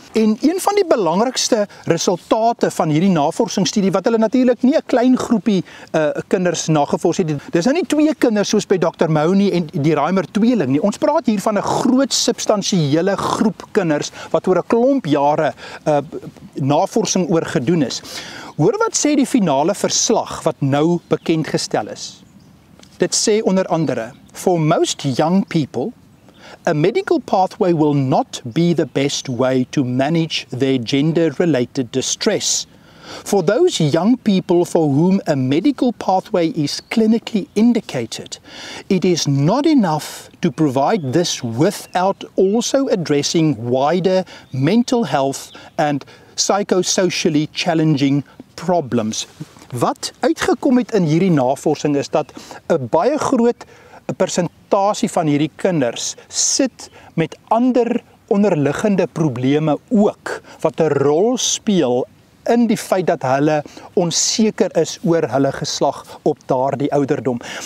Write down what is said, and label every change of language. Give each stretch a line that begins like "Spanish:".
Afrikaans: En een van die belangrikste resultate van hierdie navorsingsstudie, wat hulle natuurlik nie 'n klein groepie kinders nagevors het. Dis nou nie 2 kinders soos by Dr. Mooney en die Reimer tweeling nie. Ons praat hier van 'n groot substansiële groep kinders, wat oor 'n klomp jare navorsing oor gedoen is. Hoor wat sê die finale verslag wat nou bekendgestel is. Dit sê onder andere,
English: for most young people, a medical pathway will not be the best way to manage their gender-related distress. For those young people for whom a medical pathway is clinically indicated, it is not enough to provide this without also addressing wider mental health and psychosocially challenging problems.
Afrikaans: Wat uitgekom het in hierdie navorsing is dat 'n baie groot persentasie van hierdie kinders sit met ander onderliggende probleme ook, wat 'n rol speel in die feit dat hulle onseker is oor hulle geslag op daardie ouderdom.